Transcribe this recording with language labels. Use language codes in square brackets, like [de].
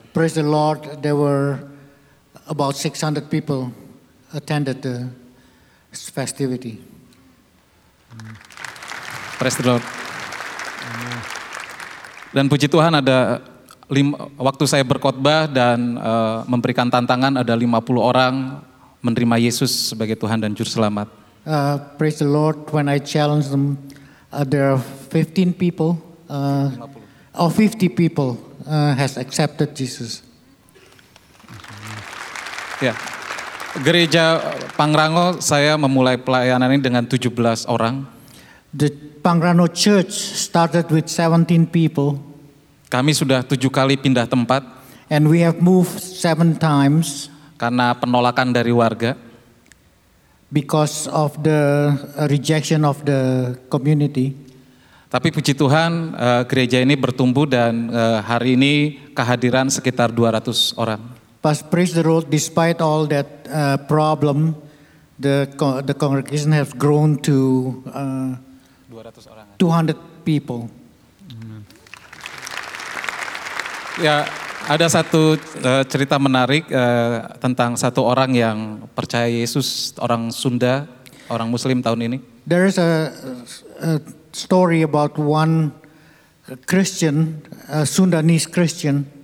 [en] Praise the Lord, there were about 600 people attended the festivity. Praise the Lord. [id] Dan puji Tuhan ada waktu saya berkhotbah dan memberikan tantangan ada 50 orang menerima Yesus sebagai Tuhan dan Juru Selamat. [en] Praise the Lord, when I challenged them, there are 15 people, or 50 people has accepted Jesus. Yeah. [id] Gereja Pangrango, saya memulai pelayanan ini dengan 17 orang. [en] The Pangrango Church started with 17 people. [id] Kami sudah 7 kali pindah tempat. [en] And we have moved 7 times. [id] Karena penolakan dari warga. [en] Because of the rejection of the community. [id] Tapi puji Tuhan, gereja ini bertumbuh dan hari ini kehadiran sekitar 200 orang. [en] But praise the Lord, despite all that problem, the congregation has grown to 200 people. [id] Ya, ada satu cerita menarik tentang satu orang yang percaya Yesus, orang Sunda, orang Muslim tahun ini. [en] There is a story about one Christian, a Sundanese Christian.